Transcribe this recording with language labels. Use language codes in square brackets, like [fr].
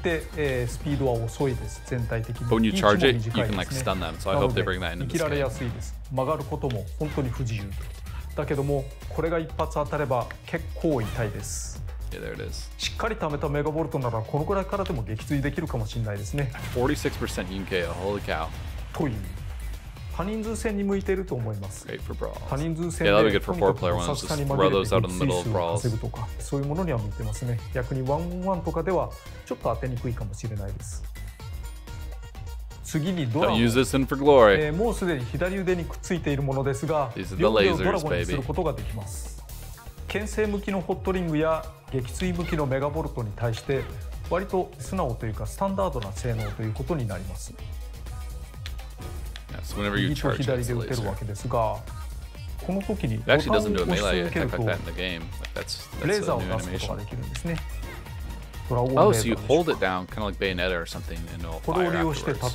[en] But when you charge it, you can like, stun them, so I hope they bring that into this game. [ja] だけどもこれが一発当たれば結構痛いです。 [en] yeah, there it is. [ja] しっかり貯めたメガボルトならこのくらいからでも撃墜できるかもしれないですね。 [en] 46% in KO. Holy cow. [ja] という多人数戦に向いていると思います。 [en] Great for brawls. [ja] 多人数戦で [en] yeah, [ja] とにかくお札さに紛れて撃墜数を稼ぐとかそういうものには向いてますね。逆に 1-on-1 とかではちょっと当てにくいかもしれないです。次にドラゴン。 [en] Use this in for glory. [ja] もうすでに左腕にくっついているものですが、 [en] These are the lasers, [ja] 両腕をドラゴンにすることができます。牽制向きのホットリングや撃墜向きのメガボルトに対して、割と素直というかスタンダードな性能ということになります。 [en] Yeah, so、whenever you charge [ja] 右と左で打てるわけですが、この時にボタンを押し続けると、レーザーを出すことができるんですね。 [en] Oh, so you hold it down, kind of like Bayonetta or something, and it'll fire afterwards.